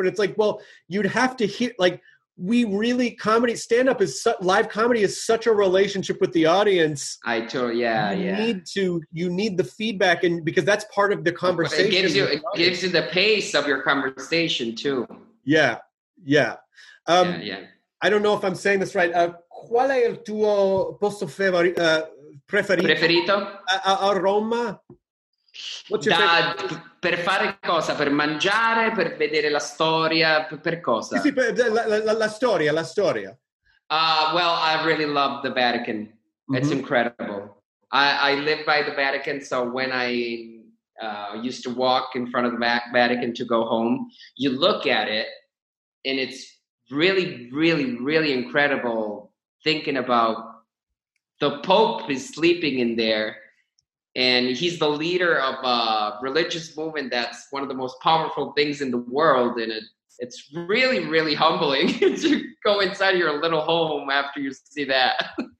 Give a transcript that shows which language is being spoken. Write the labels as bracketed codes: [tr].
[en] And it's like, well, you'd have to hear, like, we really, comedy, stand-up is, live comedy is such a relationship with the audience. I totally, you need the feedback, and because that's part of the conversation. But it gives you the pace of your conversation, too. Yeah, yeah. I don't know if I'm saying this right. [it] Qual è il tuo posto preferito? A Roma? [en] What's your favorite? [it] Per fare cosa? Per mangiare? Per vedere la storia? Per cosa? Sì, la storia. [en] Well, I really love the Vatican. It's incredible. I live by the Vatican, so when I used to walk in front of the Vatican to go home, you look at it, and it's really, really, really incredible thinking about the Pope is sleeping in there, and he's the leader of a religious movement that's one of the most powerful things in the world, and it's really, really humbling to go inside your little home after you see that.